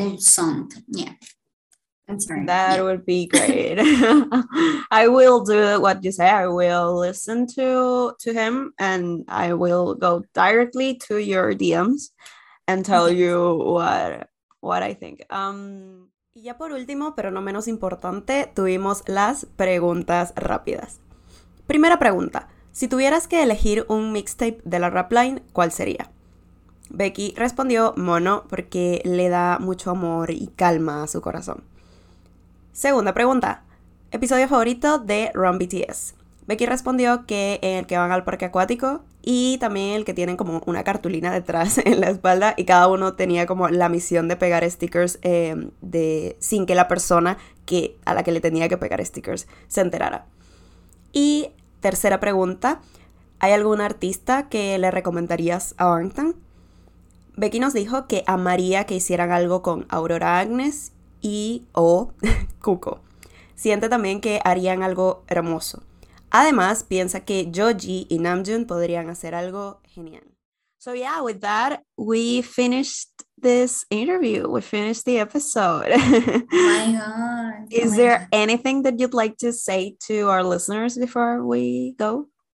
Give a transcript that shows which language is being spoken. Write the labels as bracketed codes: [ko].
[en] It would sound. Yeah. That's right. That yeah. Would be great. I will do what you say. I will listen to him and I will go directly to your DMs and tell you what I think. [es] Y ya por último, pero no menos importante, tuvimos las preguntas rápidas. Primera pregunta. Si tuvieras que elegir un mixtape de la Rapline, ¿cuál sería? Becky respondió Mono porque le da mucho amor y calma a su corazón. Segunda pregunta. ¿Episodio favorito de Run BTS? Becky respondió que en el que van al parque acuático y también el que tienen como una cartulina detrás en la espalda y cada uno tenía como la misión de pegar stickers sin que la persona a la que le tenía que pegar stickers se enterara. Y... tercera pregunta, ¿hay algún artista que le recomendarías a Bangtan? Becky nos dijo que amaría que hicieran algo con Aurora Agnes y o Cuco. Siente también que harían algo hermoso. Además, piensa que Joji y Namjoon podrían hacer algo genial. [en] So yeah, with that, we finished this interview. We finished the episode. My God. Is there anything that you'd like to say to our listeners before we go?